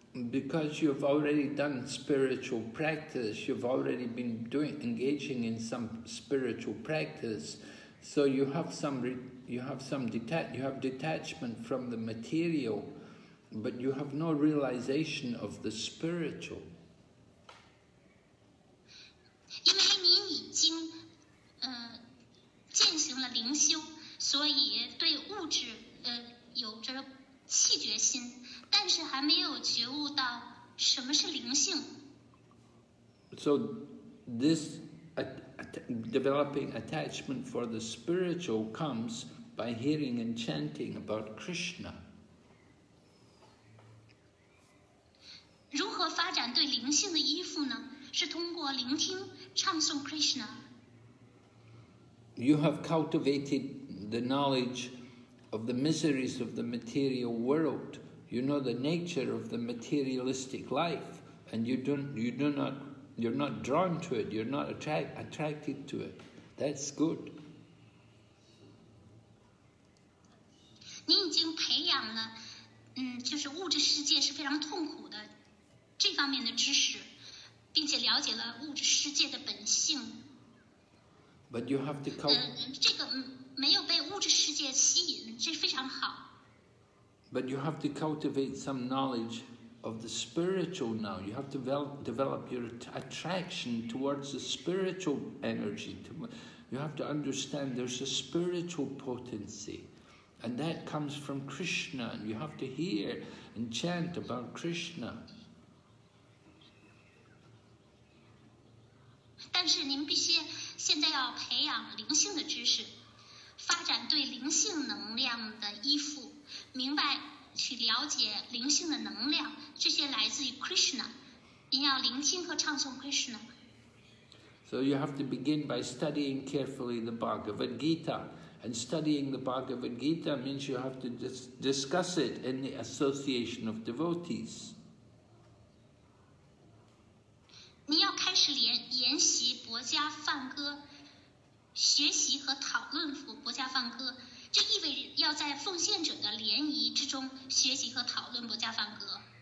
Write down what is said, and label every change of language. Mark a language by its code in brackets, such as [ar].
[en] Because you've already done spiritual practice, you've already been engaging in some spiritual practice, so you have detachment from the material, but you have no realization of the spiritual. [zh] 因为您已经进行了灵修，所以对物质有着弃绝心，但是还没有觉悟到什么是灵性。 [en] So this developing attachment for the spiritual comes by hearing and chanting about Krishna. [zh] 如何发展对灵性的依附呢？是通过聆听唱诵 Krishna。 [en] You have cultivated the knowledge of the miseries of the material world. You know the nature of the materialistic life, and you're not drawn to it, you're not attracted to it. That's good. [zh] 你已经培养了就是物质世界是非常痛苦的这方面的知识，并且了解了物质世界的本性。 [en] But you have to come. [zh] 这个没有被物质世界吸引，这非常好。 [en] But you have to cultivate some knowledge of the spiritual now. You have to develop your attraction towards the spiritual energy. You have to understand there's a spiritual potency, and that comes from Krishna, and you have to hear and chant about Krishna. [zh] 但是您必须现在要培养灵性的知识，发展对灵性能量的依附，明白去了解灵性的能量，这些来自于 Krishna。您要聆听和唱诵 Krishna。 [en] So you have to begin by studying carefully the Bhagavad Gita. And studying the Bhagavad Gita means you have to discuss it in the association of devotees. [zh] 你要开始研习博伽梵歌，学习和讨论博伽梵歌，这意味着要在奉献者的联谊之中学习和讨论博伽梵歌。